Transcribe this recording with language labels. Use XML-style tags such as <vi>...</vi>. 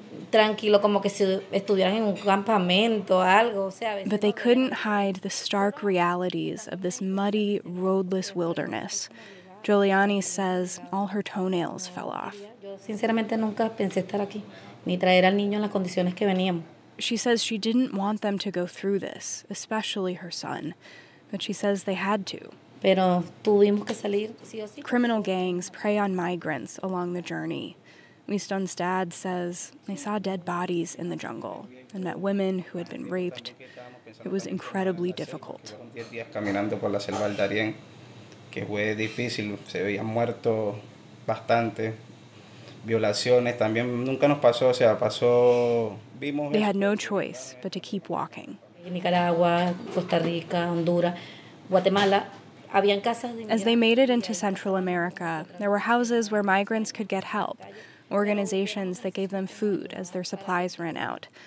<es>tranquilo, como que si estuvieran en un campamento o algo.</es> <en>But they couldn't hide the stark realities of this muddy, roadless wilderness. Giuliani says all her toenails fell off.</en> <es>Sinceramente, nunca pensé estar aquí, ni traer al niño en las condiciones que veníamos.</es> <en>She says she didn't want them to go through this, especially her son, but she says they had to.</en> <es>Pero tuvimos que salir, sí o sí.</es> <en>Criminal gangs prey on migrants along the journey. Wiston's dad says they saw dead bodies in the jungle and met women who had been raped. It was incredibly difficult.</en> <es>Caminando por la selva del Darién, que fue difícil, se veían muertos bastante. Violaciones también nunca nos pasó, o sea, pasó.</es> <en>They had no choice but to keep walking. Nicaragua, Costa Rica, Honduras, Guatemala. As they made it into Central America, there were houses where migrants could get help, organizations that gave them food as their supplies ran out.</en>